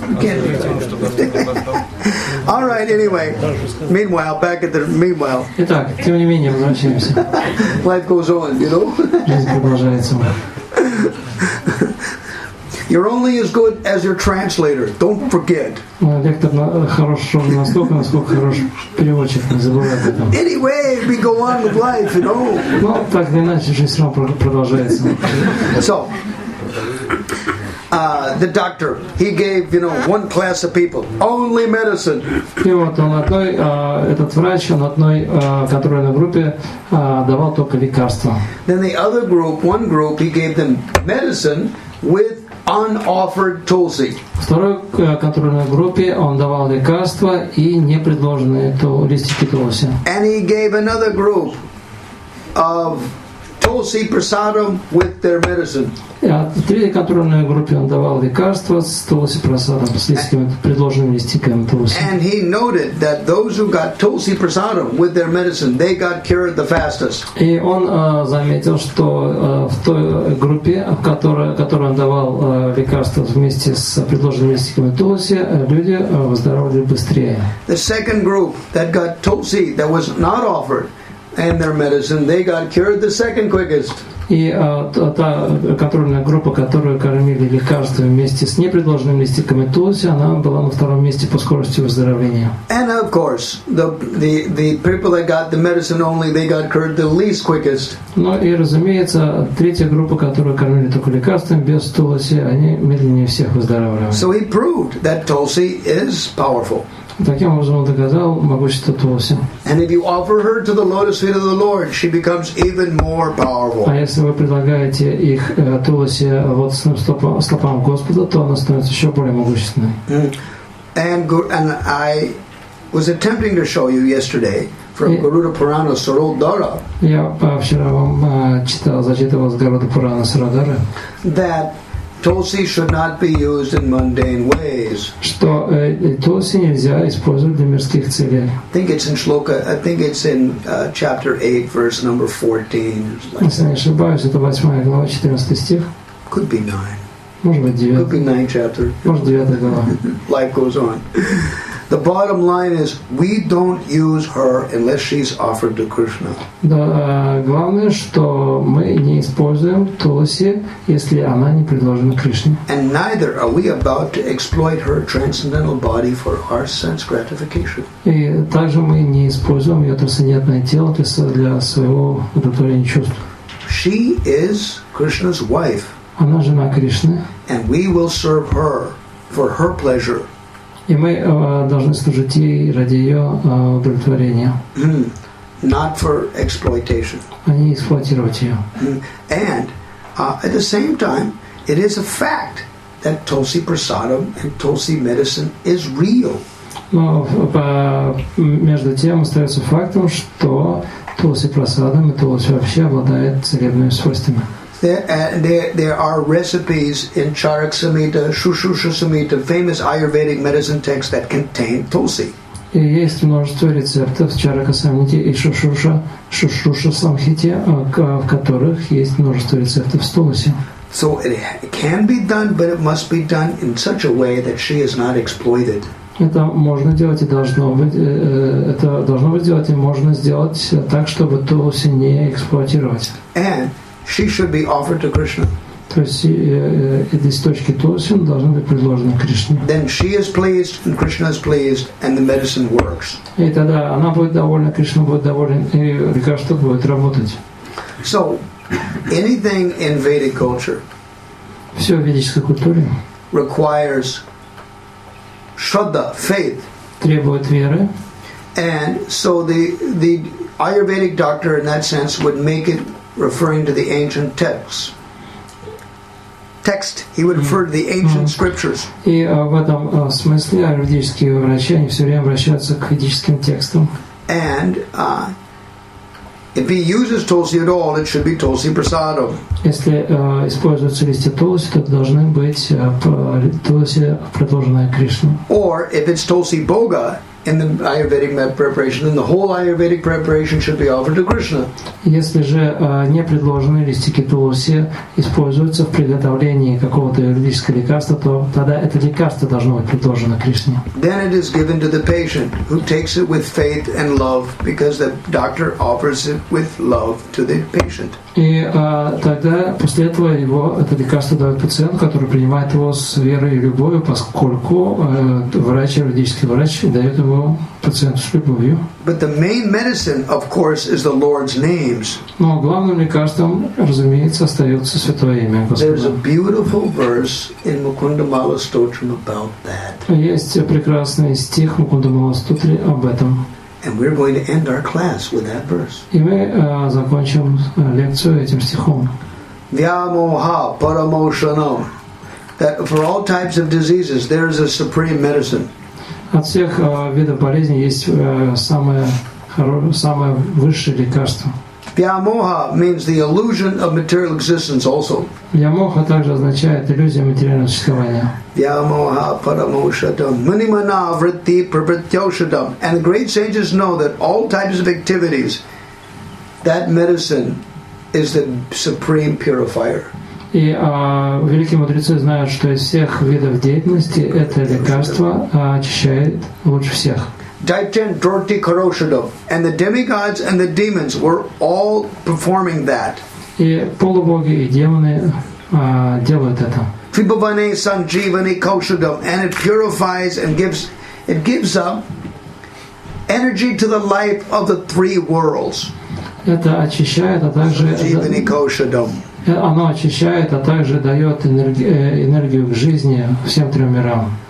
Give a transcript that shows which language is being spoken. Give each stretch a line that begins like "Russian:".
English: You can't be there. All right. Anyway, meanwhile.
Russian: Итак, тем не менее, возвращаемся.
English: Life goes on, you know.
Russian: Жизнь продолжается.
English: You're only as good as your translator. Don't forget.
Russian: Лектор хорош настолько, насколько хорош переводчик. Не забывай об этом.
English: Anyway, we go on with life, you know.
Russian: Ну, так или иначе, жизнь все равно продолжается.
English: So, the doctor, he gave, you know, one class of people, only medicine.
Russian: И вот он одной, этот врач, он одной контрольной группе давал только лекарства.
English: Then the other group, one group, he gave them medicine with unoffered tulsi.
Russian: Второй контрольной группе он давал лекарства и непредложенные листики тулси.
English: And he gave another group of tulsi prasadam with their medicine.
Russian: В третьей контрольной группе он давал лекарства с тулси прасадам, с листиками, предложенными листиками тулси.
English: And he noted that those who got tulsi prasadam with their medicine, they got cured the fastest.
Russian: И он заметил, что в той группе, в которой он давал лекарства вместе с предложенными листиками тулси, люди выздоравливали быстрее.
English: The second group that got tulsi that was not offered and their medicine, they got cured the second quickest.
Russian: И та контрольная группа, которую кормили лекарствами вместе с непредложенными листиками тулси, она была на втором месте по скорости выздоровления.
English: And of course, the people that got the medicine only, they got cured the least quickest.
Russian: Ну и разумеется, третья группа, которую кормили только лекарствами без тулси, они медленнее всех выздоравливали.
English: So he proved that tulsi is powerful.
Russian: Таким образом, он доказал могущество тулси.
English: And if you offer her to the lotus feet of the Lord, she becomes even more powerful.
Russian: А если вы предлагаете их тулси лотосным стопам Господа, то она становится еще более могущественной.
English: And I was attempting to show you yesterday from Garuda Purana Sarodhara.
Russian: Я вчера вам зачитывал с Гаруда Пурана Сарадхары.
English: That tulsi should not be used in mundane ways.
Russian: Что тулси нельзя использовать для мирских целей.
English: I think it's in chapter 8, verse number 14.
Russian: Если не ошибаюсь, это 8 глава, 14 стих.
English: Could be 9.
Russian: Может быть 9.
English: Could be 9 chapter.
Russian: Может 9 глава.
English: Life goes on. The bottom line is we don't use her unless she's offered to Krishna.
Russian: Да, главное, что мы не используем тулси, если она не предложена Кришне.
English: And neither are we about to exploit her transcendental body for our sense gratification.
Russian: И также мы не используем ее трансцендентное тело для своего удовлетворения чувств.
English: She is Krishna's wife.
Russian: Она жена Кришны.
English: And we will serve her for her pleasure.
Russian: И мы должны служить ей ради ее удовлетворения.
English: Not for exploitation.
Russian: А не эксплуатировать ее.
English: And at the same time, it is a fact that tulsi prasadam and tulsi medicine is real.
Russian: Но между тем остается фактом, что тулси прасадам и тулси вообще обладает целебными свойствами.
English: There are recipes in Charak Samhita, Shushrusha Samhita, famous Ayurvedic medicine texts that contain tulsi.
Russian: Есть множество рецептов в Чарака Самхите и Шушруша Самхите, в которых есть множество рецептов с тулси.
English: So it can be done, but it must be done in such a way that she is not exploited.
Russian: Это можно делать и должно быть сделать и можно сделать так, чтобы тулси не эксплуатировать.
English: And she should be offered to Krishna.
Russian: То есть из точки тоси он должен быть предложен Кришне.
English: Then she is pleased and Krishna is pleased and the medicine works.
Russian: И тогда она будет довольна, Кришна будет доволен и лекарство будет работать.
English: So anything in Vedic culture.
Russian: Все в ведической культуре.
English: Requires shraddha, faith.
Russian: Требует веры.
English: And so the Ayurvedic doctor in that sense would make it referring to the ancient texts. Text. He would refer to the ancient scriptures.
Russian: И в этом смысле аюрведические врачи они все время обращаются к ведическим текстам.
English: And if he uses tulsi at all, it should be tulsi prasadam.
Russian: Если используются листья тулси, то должны быть тулси предложенные Кришне.
English: Or if it's tulsi boga in the Ayurvedic preparation, then the whole Ayurvedic preparation should be offered to Krishna.
Russian: Если же не предложенные листики тулси используются в приготовлении какого-то аюрведического лекарства, то тогда это лекарство должно быть предложено Кришне.
English: Then it is given to the patient who takes it with faith and love, because the doctor offers it with love to the patient.
Russian: И тогда после этого его это лекарство дает пациенту, который принимает его с верой и любовью, поскольку врач, юридический врач, дает его пациенту с любовью.
English: But the main medicine, of course, is the Lord's names.
Russian: Но главным лекарством, разумеется, остается Святое имя Господа.
English: There's a beautiful verse in Mukunda Mala Stotram about that.
Russian: Есть прекрасный стих в Мукунда Мала Стотре об этом.
English: And we're going to end our class with that verse.
Russian: И мы закончим лекцию этим стихом.
Sanskrit: Vyamoha paramoshanam.
English: That for all types of diseases there is a supreme medicine.
Russian: От всех видов болезней есть самое высшее лекарство.
English: Vyamoha means the illusion of material existence also.
Russian: Vyamoha также означает иллюзия материального существования.
Sanskrit: Vyamoha paramoshadam munimana vritti pravrityoshadam.
English: And the great sages know that all types of activities, that medicine is the supreme purifier.
Russian: И великие мудрецы знают, что из всех видов деятельности это лекарство очищает лучше всех.
Sanskrit: Daityan Dorti Karoshadam.
English: And the demigods and the demons were all performing that.
Russian: И полубоги и демоны делают это.
Sanskrit: Fibhavane Sanjeevani Koshadam.
English: And it purifies and gives up energy to the life of the three worlds.
Russian: Это очищает, а также
Sanskrit: Sanjeevani Koshadam.
Russian: Оно очищает, а также дает энергию к жизни всем трем мирам.